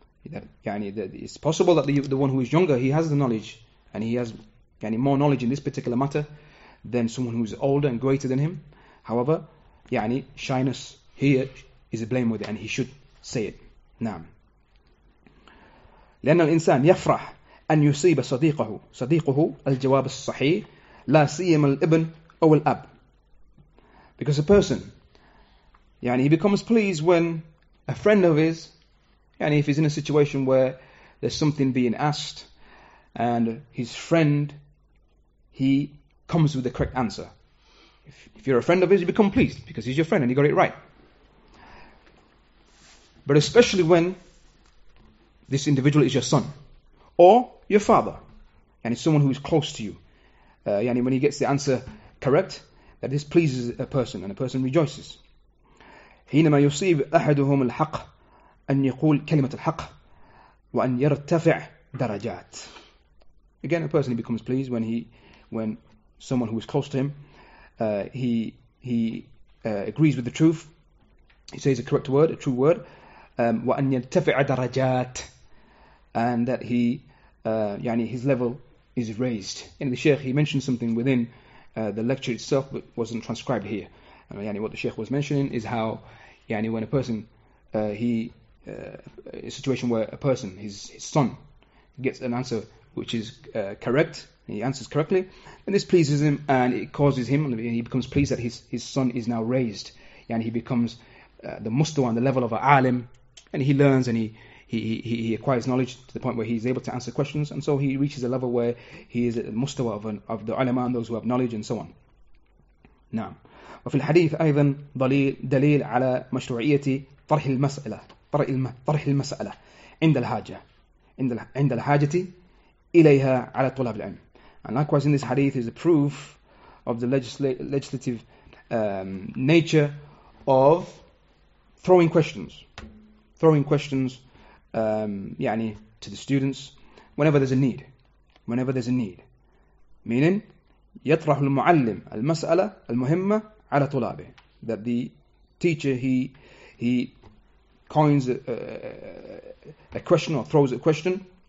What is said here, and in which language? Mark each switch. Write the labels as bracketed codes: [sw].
[en] That, yani, that it's possible that the one who is younger, he has the knowledge and he has any more knowledge in this particular matter than someone who is older and greater than him. However, يعني, shyness here is a blame with it, and he should say it. [ar] نعم. لأن الإنسان يفرح أن يصيب صديقه الجواب الصحيح لا سيما الابن أو الأب. [en] Because a person, يعني, he becomes pleased when a friend of his, يعني, if he's in a situation where there's something being asked and his friend, he comes with the correct answer. If you're a friend of his, you become pleased because he's your friend and he got it right. But especially when this individual is your son or your father, and it's someone who is close to you, yani when he gets the answer correct, that this pleases a person and a person rejoices. [ar] حينما يصيب أحدهم الحق أن يقول كلمة الحق وأن يرتفع درجات. [en] Again, a person becomes pleased when someone who is close to him, he agrees with the truth, he says a correct word, a true word, [ar] وَأَنْ يَتَفِعَ دَرَجَاتٍ, [en] and that he, يعني, his level is raised. And the Shaykh, he mentioned something within the lecture itself, but wasn't transcribed here. And, يعني, what the Shaykh was mentioning is how, يعني, when a person a situation where a person, his son, gets an answer which is correct, he answers correctly, and this pleases him, and it causes him, and he becomes pleased that his son is now raised, and he becomes the mustawa on the level of an alim, and he learns, and he acquires knowledge to the point where he's able to answer questions, and so he reaches a level where he is a mustawa of the ulama and those who have knowledge, and so on. [ar] Naam. وفي الحديث أيضا دليل على مشروعية طرح المسألة طرح المسألة عند الحاجة عند الحاجة إليها على طلاب العلم. [en] And likewise, in this hadith is a proof of the legislative nature of throwing questions يعني to the students whenever there's a need, meaning [ar] يطرح المعلم المسألة المهمة على طلابه, [en] that the teacher he coins a question or throws a question,